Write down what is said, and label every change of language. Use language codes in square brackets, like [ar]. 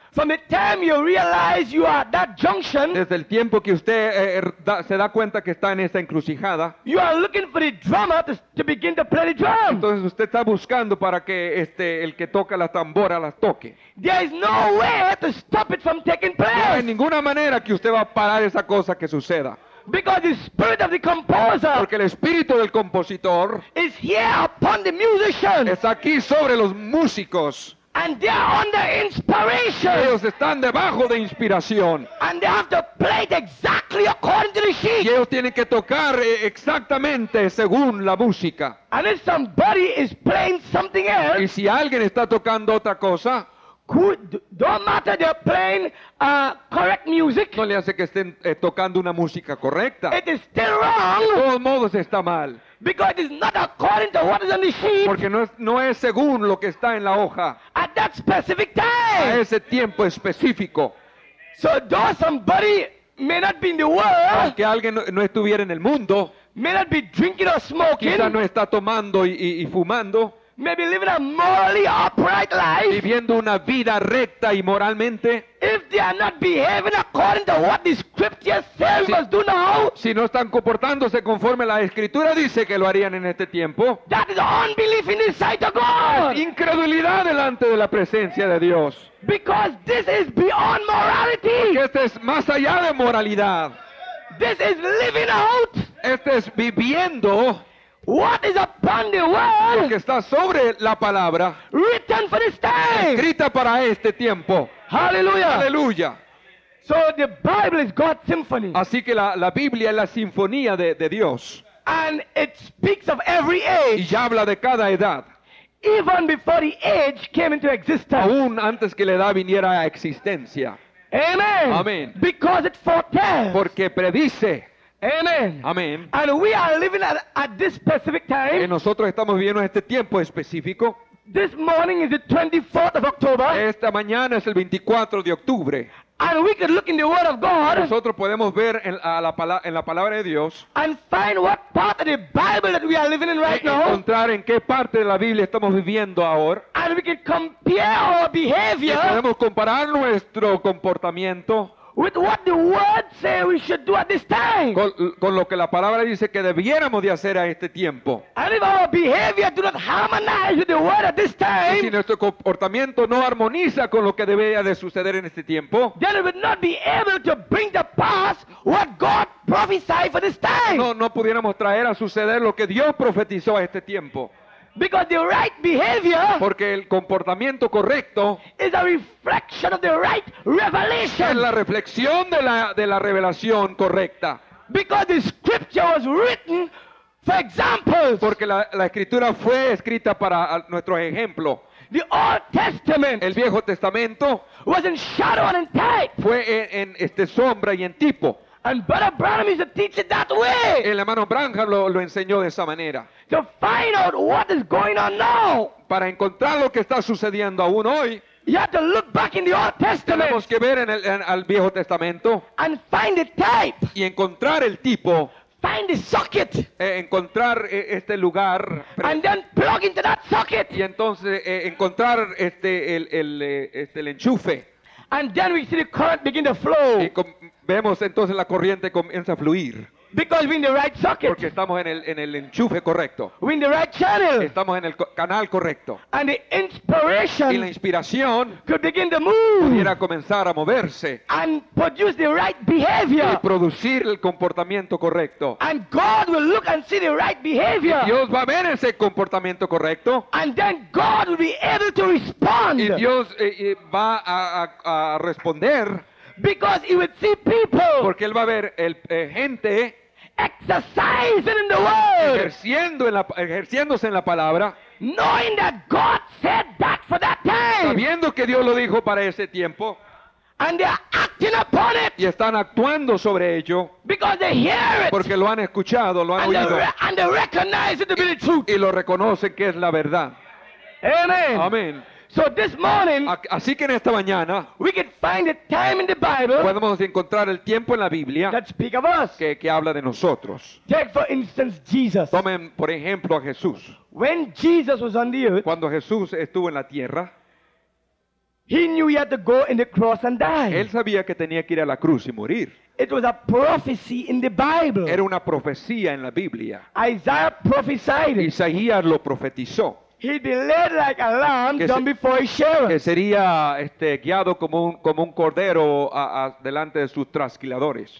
[en] from the time you realize you are at that junction, [es] desde el tiempo que usted se da cuenta que está en esa encrucijada, [en] you are looking for the drummer to begin to play the drum. [es] Entonces usted está buscando para que el que toca la tambora las toque. [en] There is no way to stop it from taking place. [es] No hay ninguna manera que usted va a parar esa cosa que suceda. [en] Because the spirit of the composer, [es] porque el espíritu del compositor, [en] is here upon the musicians, [es] está aquí sobre los músicos, [en] and they are under inspiration, [es] ellos están debajo de inspiración, [en] and they have to play it exactly according to the sheet, [es] y ellos tienen que tocar exactamente según la música, [en] and if somebody is playing something else, [es] y si alguien está tocando otra cosa. [en] Don't matter they're playing correct music. [es] No le hace que estén tocando una música correcta. [en] It is still wrong. [es] De todos modos está mal. [en] Because it is not according to what is on the sheet. [es] Porque no es según lo que está en la hoja. [en] At that specific time. [es] A ese tiempo específico. [en] So though somebody may not be in the world. [es] Aunque alguien no estuviera en el mundo. [en] May not be drinking or smoking. [es] Quizá no está tomando y fumando. [en] Maybe living a morally upright life. [es] Viviendo una vida recta y moralmente. [en] If they are not behaving according to what the scripture says must do now. [es] Si no están comportándose conforme la escritura dice que lo harían en este tiempo. [en] That is unbelief in the sight of God. [es] Incredulidad delante de la presencia de Dios. [en] Because this is beyond morality. [es] Porque este es más allá de moralidad. [en] This is living out. [es] Este es viviendo. [en] What is upon the word? [es] Lo que está sobre la palabra. [en] Written for this time. [es] Escrita para este tiempo. [en] Hallelujah. [es] Hallelujah. [en] So the Bible is God's symphony. [es] Así que la Biblia es la sinfonía de Dios. [en] And it speaks of every age. [es] Y habla de cada edad. [en] Even before the age came into existence. [es] Aún antes que la edad viniera a existencia. [en] Amen. [es] Amen. [en] Because it foretells. [es] Porque predice. [en] Amen. [es] Amen. [en] And we are living at this specific time. [es] Y nosotros estamos viviendo este tiempo específico. [en] This morning is the 24th of October. [es] Esta mañana es el 24 de octubre. [en] And we could look in the Word of God. [es] Nosotros podemos ver en la palabra de Dios. [en] And find what part of the Bible that we are living in right now. [es] Encontrar en qué parte de la Biblia estamos viviendo ahora. [en] And we could compare our behavior. [es] Y podemos comparar nuestro comportamiento. [en] With what the word say we should do at this time. [es] Con lo que la palabra dice que debiéramos de hacer a este tiempo. [en] And if our behavior do not harmonize with the word at this time. [es] Y si nuestro comportamiento no armoniza con lo que debería de suceder en este tiempo. [en] Then we would not be able to bring to pass what God prophesied for this time. [es] No pudiéramos traer a suceder lo que Dios profetizó a este tiempo. [en] Because the right behavior, [es] porque el comportamiento correcto, [en] is a reflection of the right revelation. [es] Es la reflexión de la revelación correcta. [en] Because the scripture was written for examples. [es] Porque la escritura fue escrita para nuestros ejemplos. [en] The Old Testament, [es] el Viejo Testamento, [en] was in shadow and in type. [es] Fue en sombra y en tipo. [en] And Brother Branham used to teach it that way. [es] El hermano Branham lo enseñó de esa manera. [en] To find out what is going on now. [es] Para encontrar lo que está sucediendo aún hoy. [en] You have to look back in the Old Testament. [es] Tenemos que ver en el Viejo Testamento. [en] And find the type. [es] Y encontrar el tipo. [en] Find the socket. [es] Encontrar este lugar. [en] And then plug into that socket. [es] Y entonces encontrar el enchufe. [en] And then we see the current begin to flow. [es] Vemos entonces la corriente comienza a fluir. [en] Because we're in the right socket. [es] Porque estamos en el enchufe correcto. [en] We're in the right channel. [es] Estamos en el canal correcto. [en] And the inspiration [es] y la inspiración [en] could begin to move [es] pudiera comenzar a moverse. [en] And produce the right behavior. [es] Y producir el comportamiento correcto. [en] And God will look and see the right behavior. [es] Y Dios va a ver ese comportamiento correcto. [en] And then God will be able to respond. [es] Y Dios va a responder. [en] Because he would see people. [es] Porque él va a ver gente [en] exercising in the word. [es] Ejerciéndose en la palabra. [en] Knowing that God said that for that time. [es] Sabiendo que Dios lo dijo para ese tiempo. [en] And they are acting upon it. [es] Y están actuando sobre ello. [en] Because they hear it. [es] Porque lo han escuchado, lo han [en] and [es] oído. [en] And they recognize it to be the truth. [es] Y lo reconocen que es la verdad. [en] Amen. [es] Amen. [en] So this morning, [es] así que en esta mañana, [en] we can find a time in the Bible [es] podemos encontrar el tiempo en la Biblia [en] that speak of us. [es] Que habla de nosotros. [en] Take for instance Jesus. [es] Tomen por ejemplo a Jesús. [en] When Jesus was on the earth, [es] cuando Jesús estuvo en la tierra, [en] he knew he had to go in the cross and die. [es] Él sabía que tenía que ir a la cruz y morir. [en] It was a prophecy in the Bible. [es] Era una profecía en la Biblia. [en] Isaiah prophesied it. [es] Isaías lo profetizó. [en] He'd be led like a lamb dumb before his shepherd. [es] Que sería guiado como un cordero delante de sus trasquiladores.